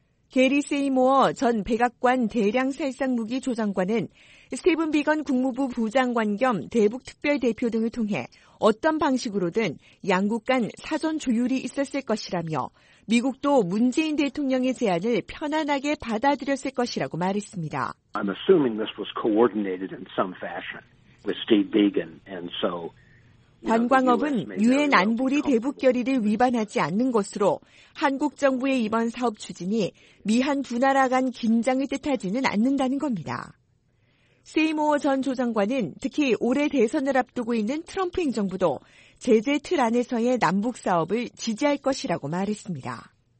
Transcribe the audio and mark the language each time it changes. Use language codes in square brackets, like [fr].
[ko] 게리 세이모어 전 백악관 대량살상무기 조정관은 스티븐 비건 국무부 부장관 겸 대북특별대표 등을 통해 어떤 방식으로든 양국 간 사전 조율이 있었을 것이라며 미국도 문재인 대통령의 제안을 편안하게 받아들였을 것이라고 말했습니다. [en] I'm assuming this was coordinated in some fashion with Steve Biegun and so [ko] 관광업은 유엔 안보리 대북 결의를 위반하지 않는 것으로 한국 정부의 이번 사업 추진이 미한 두 나라 간 긴장을 뜻하지는 않는다는 겁니다. 세이모어 전 조장관은 특히 올해 대선을 앞두고 있는 트럼프 행정부도 제재 틀 안에서의 남북 사업을 지지할 것이라고 말했습니다.